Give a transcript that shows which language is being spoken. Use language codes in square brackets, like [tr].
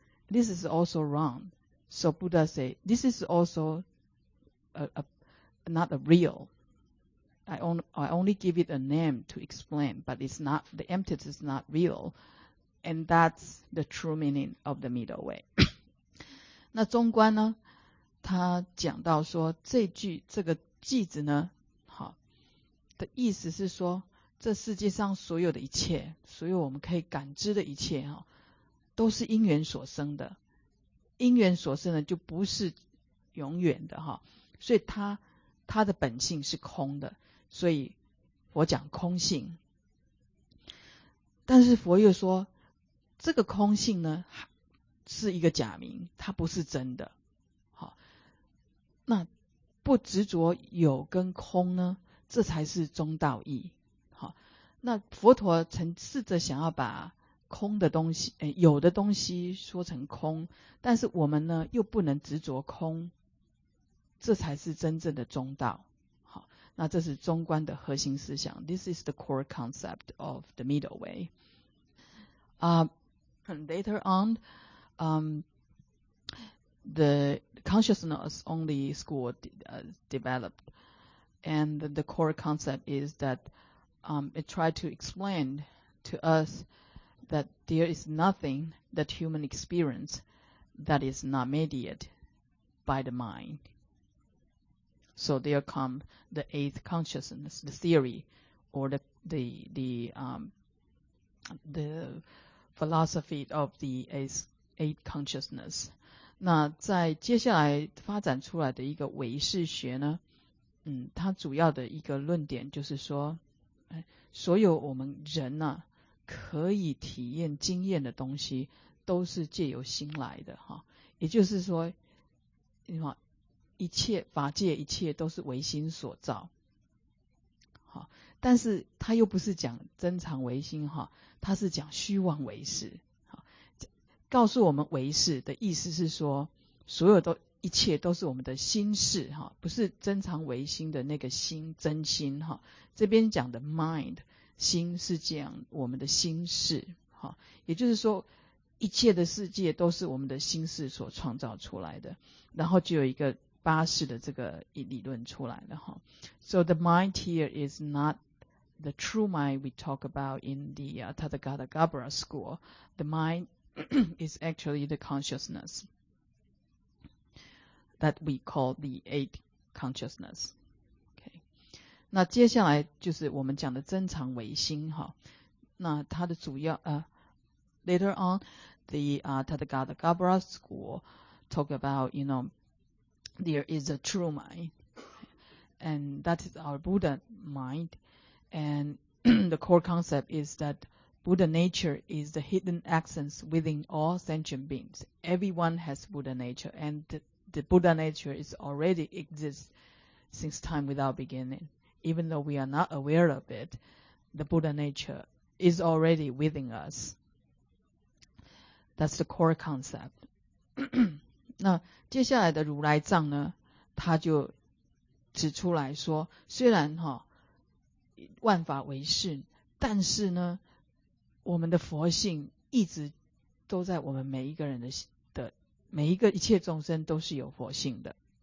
[en] This is also wrong. So Buddha said, this is also not a real. I only give it a name to explain, but it's not, the emptiness is not real. And that's the true meaning of the middle way. [zh] 那中观呢，他讲到说这句这个句子呢，好的意思是说，这世界上所有的一切，所有我们可以感知的一切，都是因缘所生的。因缘所生的就不是永远的，所以它的本性是空的。所以佛讲空性，但是佛又说这个空性呢是一个假名，它不是真的。好，那不执着有跟空呢，这才是中道义。好，那佛陀曾试着想要把空的东西，有的东西说成空，但是我们呢又不能执着空，这才是真正的中道。那这是中观的核心思想。 [en] This is the core concept of the middle way. Later on, the consciousness only school developed, and the core concept is that it tried to explain to us that there is nothing that human experience that is not mediated by the mind. So there come the eighth consciousness, the theory, or the philosophy of the eighth consciousness. [zh] 那在接下来发展出来的一个唯识学呢，它主要的一个论点就是说，所有我们人呢，可以体验经验的东西，都是借由心来的，也就是说，你看一切法界一切都是唯心所造。好，但是他又不是讲真常唯心，他是讲虚妄唯识。好，告诉我们唯识的意思是说所有都一切都是我们的心事，不是真常唯心的那个心，真心。这边讲的 mind 心是讲我们的心事，也就是说一切的世界都是我们的心事所创造出来的。然后就有一个八识的这个理论出来的。 [en] So the mind here is not the true mind we talk about in the Tathagatagarbha school. The mind is actually the consciousness that we call the eight consciousness. Okay. [zh] 那接下来就是我们讲的真常唯心。那它的主要 [en] later on the Tathagatagarbha school talk about, you know,There is a true mind, and that is our Buddha mind. And the core concept is that Buddha nature is the hidden essence within all sentient beings. Everyone has Buddha nature, and the Buddha nature is already exists since time without beginning. Even though we are not aware of it, the Buddha nature is already within us. That's the core concept. [zh] 那接下来的如来藏呢，他就指出来说，虽然哈万法为识，但是呢，我们的佛性一直都在我们每一个人的每一个一切众生都是有佛性的。